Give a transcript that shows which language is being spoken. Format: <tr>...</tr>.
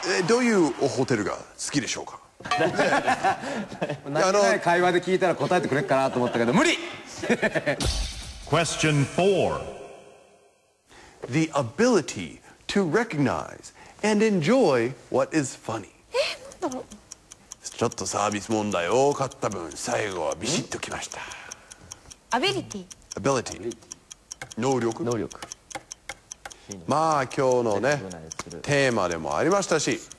<ja>どういうホテルが好きでしょうか。何回会話で聞いたら答えてくれるかなと思ったけど、無理。</ja> <en>Question four. The ability to recognize and enjoy what is funny.</en> <ja>ちょっとサービス問題多かった分、最後はビシッときました。アビリティ、アビリティ、能力、能力。まあ今日のねテーマでもありましたし。</ja>